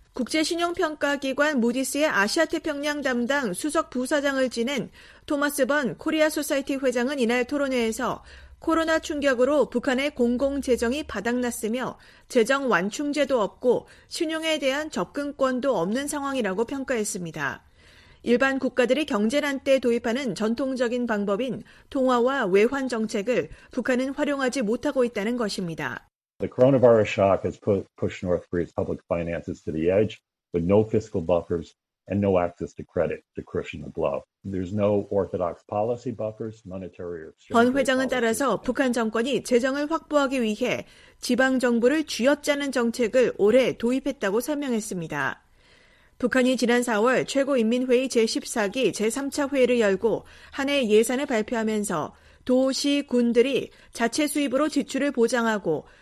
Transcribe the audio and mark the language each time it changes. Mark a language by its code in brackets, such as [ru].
[ko] 국제신용평가기관 무디스의 아시아태평양 담당 수석부사장을 지낸 토마스 번 코리아소사이티 회장은 이날 토론회에서 코로나 충격으로 북한의 공공재정이 바닥났으며 재정 완충제도 없고 신용에 대한 접근권도 없는 상황이라고 평가했습니다. 일반 국가들이 경제난 때 도입하는 전통적인 방법인 통화와 외환 정책을 북한은 활용하지 못하고 있다는 것입니다. [en] The coronavirus shock has pushed North Korea's public finances to the edge with no fiscal buffers and no access to credit to cushion the blow. There's no orthodox policy buffers, monetary or exchange. [ko] 권 회장은 따라서 북한 정권이 재정을 확보하기 위해 지방 정부를 쥐어짜는 정책을 올해 도입했다고 설명했습니다. 북한이 지난 4월 최고인민회의 제14기 제3차 회의를 열고 한해 예산을 발표하면서 도시, 군들이 자체 수입으로 지출을 보장하고